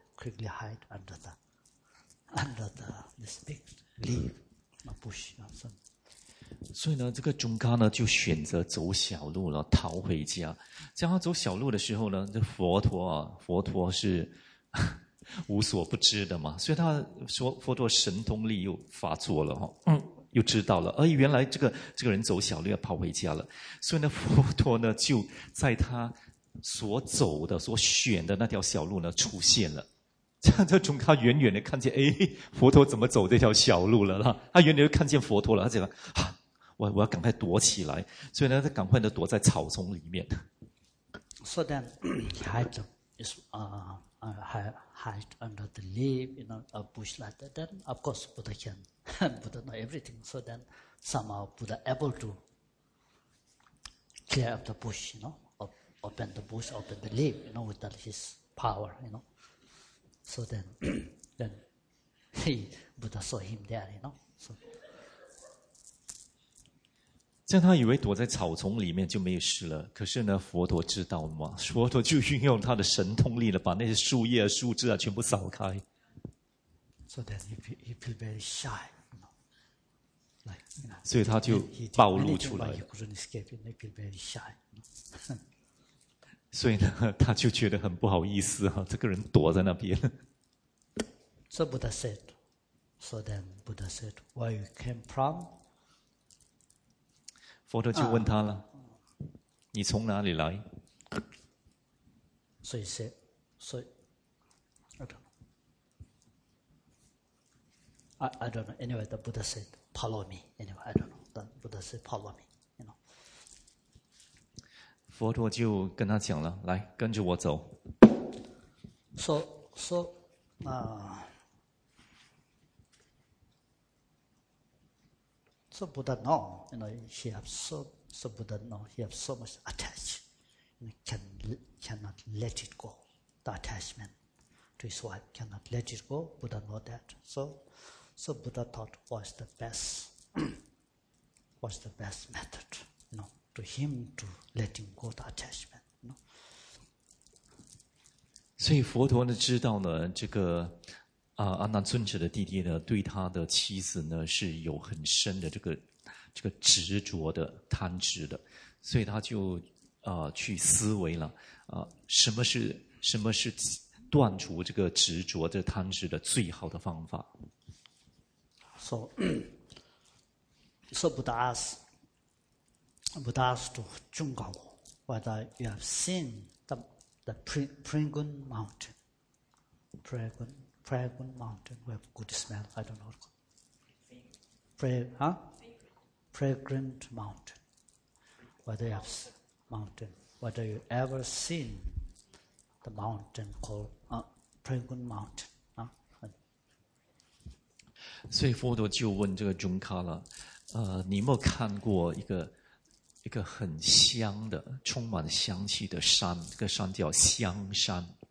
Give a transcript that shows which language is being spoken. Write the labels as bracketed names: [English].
[English] Quickly hide under this big leaf, a bush or something. [Chinese] 所以呢，这个Chung Gao呢就选择走小路了，逃回家。在他走小路的时候呢，这佛陀是。无所不知的嘛，所以他说佛陀神通力又发作了，又知道了，而原来这个人走小路要跑回家了，所以呢佛陀呢就在他所走的所选的那条小路呢出现了，这样就从他远远的看见，哎，佛陀怎么走这条小路了，他远远就看见佛陀了，他讲啊，我要赶快躲起来，所以呢他赶快的躲在草丛里面。 [English] So then he hide under the leaf, you know, a bush like that. Then, of course, Buddha can, Buddha know everything. So then, somehow Buddha able to clear up the bush, you know, open the bush, open the leaf, you know, without his power, you know. So then, then Buddha saw him there, you know. So, [Chinese] 这样他以为躲在草丛里面就没有事了，可是呢，佛陀知道吗？佛陀就运用他的神通力了，把那些树叶、树枝啊全部扫开。 [English] So then he feel very shy, you know, like, you know, [Chinese] 所以他就暴露出来了。 [English] He couldn't escape, and he feel very shy. [Chinese] 所以呢，他就觉得很不好意思啊，这个人躲在那边。 [English] So Buddha said, so then Buddha said, where you came from? [Chinese] 佛陀就问他了，你从哪里来？所以说，所以 ， [English] I don't know. Anyway, the Buddha said, "Follow me." Anyway, I don't know. The Buddha said, "Follow me." You know. [Chinese] 佛陀就跟他讲了，来跟着我走。 [English] So Buddha know, you know, he have so, so Buddha know, he have so much attached, you know, cannot let it go, the attachment to his wife, cannot let it go, Buddha know that. So Buddha thought, what's the best, what's the best method, you know, to him to let him go the attachment, you know. [Chinese] 所以佛陀呢知道呢这个阿难尊者的弟弟呢对他的妻子呢是有很深的这个执着的贪执的，所以他就去思维了什么是断除这个执着的贪执的最好的方法。 [English] So Buddha asked to Junggao whether you have seen the Prangun Mountain. Prangun Mountain, we have good smell, I don't know. Fragrant mountain. Whether you ever seen the mountain called Prangun Mountain. [Chinese] 所以佛陀就问这个中卡了，你有没有看过一个很香的充满香气的山，这个山叫香山。